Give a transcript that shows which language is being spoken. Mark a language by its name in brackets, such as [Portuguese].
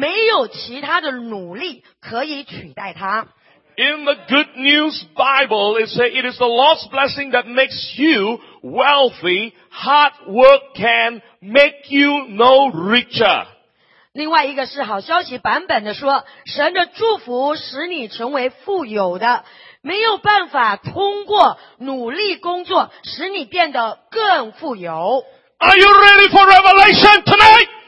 [Chinese] 让我用另外一个版本来读这个经文。神的祝福带来财富，没有其他的努力可以取代它。 [English] In the Good News Bible, it says it is the Lord's blessing that makes you wealthy. Hard work can make you no richer. [Chinese] 另外一个是好消息版本的说，神的祝福使你成为富有的，没有办法通过努力工作使你变得更富有。 [English] Are you ready for revelation tonight?